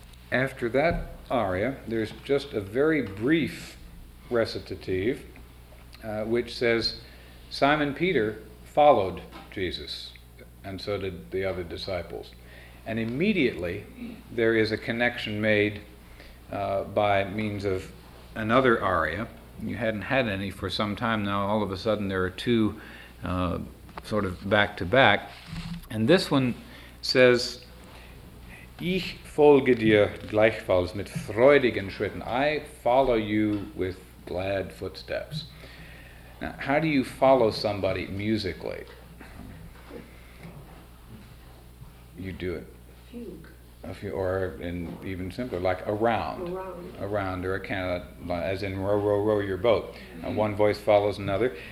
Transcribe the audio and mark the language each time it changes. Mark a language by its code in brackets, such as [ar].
[en] After that aria, there's just a very brief recitative which says, Simon Peter followed Jesus, and so did the other disciples. And immediately there is a connection made by means of another aria. You hadn't had any for some time now. All of a sudden there are two sort of back to back. And this one says, [de] Ich folge dir gleichfalls mit freudigen Schritten. [en] I follow you with glad footsteps. Now, how do you follow somebody musically? You do it. A fugue. Or in even simpler, like around. Around. Around, or a kind of, as in row, row, row your boat. And one voice follows another.